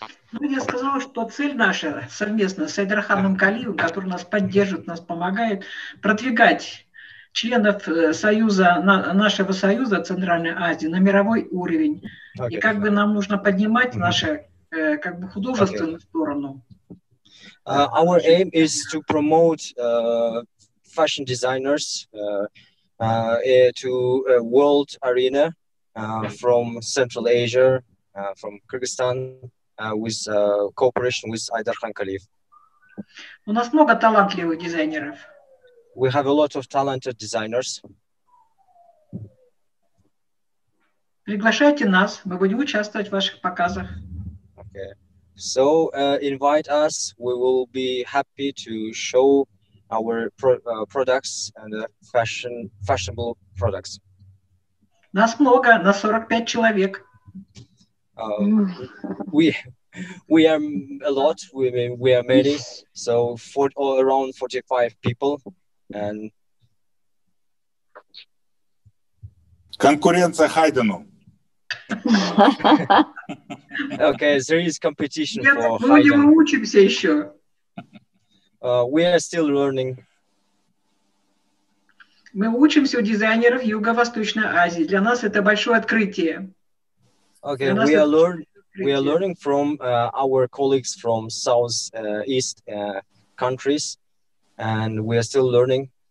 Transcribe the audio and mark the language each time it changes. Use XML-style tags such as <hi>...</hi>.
<ru>Ну, я сказала, что цель наша совместно с Айдарханом Калиевым, который нас поддерживает, нас помогает, продвигать членов союза, нашего союза Центральной Азии на мировой уровень. Okay. И как бы нам нужно поднимать нашу как бы художественную сторону.</ru> <en>Our aim is to promote fashion designers to world arena from Central Asia, from Kyrgyzstan, with cooperation with Айдархан Калиев.</en> <ru>У нас много талантливых дизайнеров.</ru> <en>We have a lot of talented designers.</en> <ru>Приглашайте нас, мы будем участвовать в ваших показах.</ru> <en>Okay. So invite us, we will be happy to show our products and fashionable products.</en> <ru>Нас много, нас 45 человек.</ru> <en>We are a lot, we are many, so around 45 people. And</en> <ru>конкуренция Хайдену.</ru> <en>Okay, there is competition for</en> <ru>Хайден. Мы учимся еще.</ru> <en>We are still learning.</en> <ru>Мы учимся у дизайнеров Юго-Восточной Азии. Для нас это большое открытие.</ru> <en>Okay, we are learning from our colleagues from South East countries, and we are still learning.</en>